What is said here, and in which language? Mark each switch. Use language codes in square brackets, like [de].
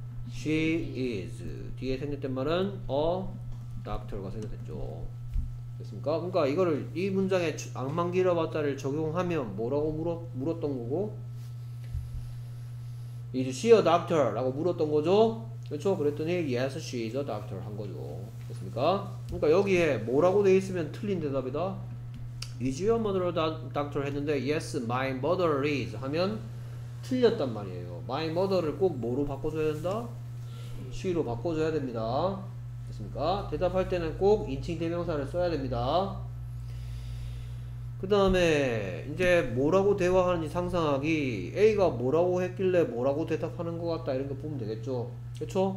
[en] she is. [ko] 뒤에 생략된 말은 a doctor가 생략됐죠. 됐습니까? 그러니까 이거를 이 문장에 악만 길어봤다를 적용하면 뭐라고 물었던 거고 [en] is she a doctor? [ko] 라고 물었던 거죠. 그렇죠? 그랬더니 [en] yes she is a doctor [ko] 한 거죠. 됐습니까? 그러니까 여기에 뭐라고 돼 있으면 틀린 대답이다. [en] Is your mother a doctor? [ko] 했는데 [en] Yes, my mother is [ko] 하면 틀렸단 말이에요. My mother를 꼭 뭐로 바꿔줘야 된다? She로 바꿔줘야 됩니다. 됐습니까? 대답할 때는 꼭 인칭 대명사를 써야 됩니다. 그 다음에 이제 뭐라고 대화하는지 상상하기 A가 뭐라고 했길래 뭐라고 대답하는 것 같다 이런 거 보면 되겠죠. 그렇죠?